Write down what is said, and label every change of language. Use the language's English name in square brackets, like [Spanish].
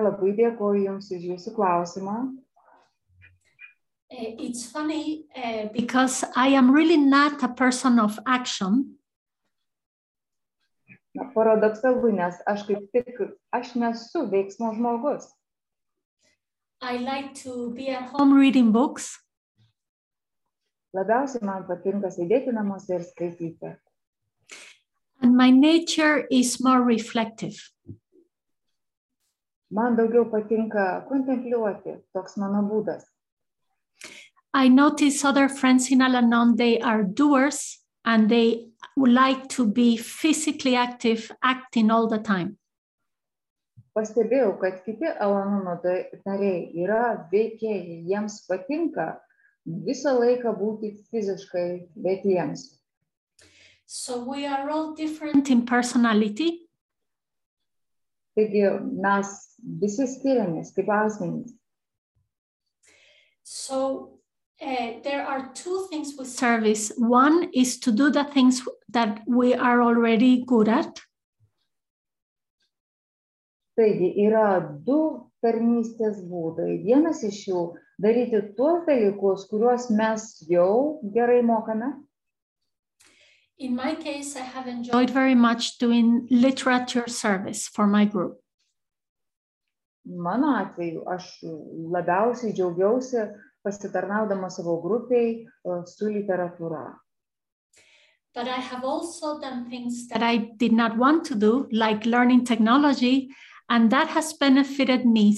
[Lithuanian] Labai dėkoju jums už jūsų klausimą. [English] It's funny because I am really not a person of action. [Lithuanian] Paradoxalu, nes aš kaip tik, aš nesu veiksmo žmogus. [English] I like to be at home reading books. [Lithuanian] Labiausiai man patinka sėdėti namuose ir skaityti. [English] And my nature is more reflective. [Lithuanian] Man daugiau patinka kontempliuoti, toks mano būdas. [English] I notice other friends in Al-Anon, they are doers and they would like to be physically active, acting all the time. [Lithuanian] Pastebėjau, kad kiti Al-Anono nariai yra veikėjai, jiems patinka visą laiką būti fiziškai veikliems. [English] So we are all different in personality. [Lithuanian] Taigi mes visi skiriamės kaip asmenys. [English] So there are two things with service. One is to do the things that we are already good at. [Lithuanian] Taigi, yra du tarnystės būdai. Vienas iš jų daryti tuos dalykus, kuriuos mes jau gerai mokame. [English] In my case, I have enjoyed very much doing literature service for my group. [Lithuanian] Mano atveju, aš labiausiai džiaugiausi pasitarnaudama savo grupei su literatūra. [English] But I have also done things that I did not want to do, like learning technology, and that has benefited me.